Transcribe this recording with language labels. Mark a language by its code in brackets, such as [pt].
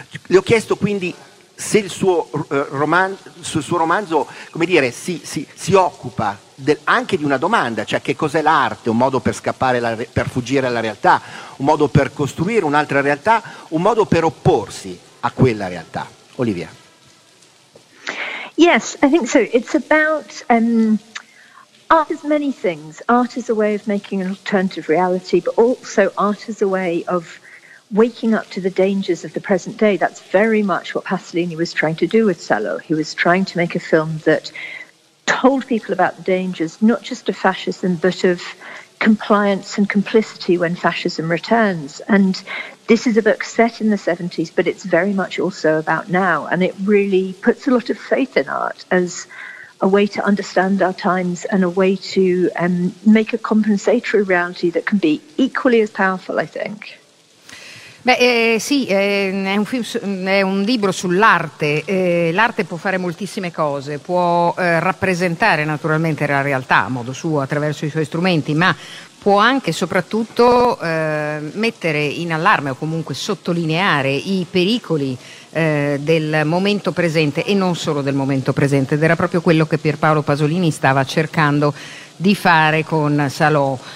[it] Le ho chiesto quindi se il suo romanzo, come dire, si occupa anche di una domanda, cioè che cos'è l'arte, un modo per scappare, per fuggire alla realtà, un modo per costruire un'altra realtà, un modo per opporsi a quella realtà. Olivia. [en] Yes, I think so. It's about art is many things. Art is a way of making an alternative reality, but also art is a way of waking up to the dangers of the present day. That's very much what Pasolini was trying to do with Salò. He was trying to make a film that told people about the dangers, not just of fascism, but of compliance and complicity when fascism returns. And this is a book set in the 70s, but it's very much also about now. And it really puts a lot of faith in art as a way to understand our times and a way to make a compensatory reality that can be equally as powerful, I think. [it] Beh, sì, è un libro sull'arte. L'arte può fare moltissime cose, può rappresentare naturalmente la realtà a modo suo, attraverso i suoi strumenti, ma può anche e soprattutto mettere in allarme o comunque sottolineare i pericoli del momento presente e non solo del momento presente, ed era proprio quello che Pierpaolo Pasolini stava cercando di fare con Salò.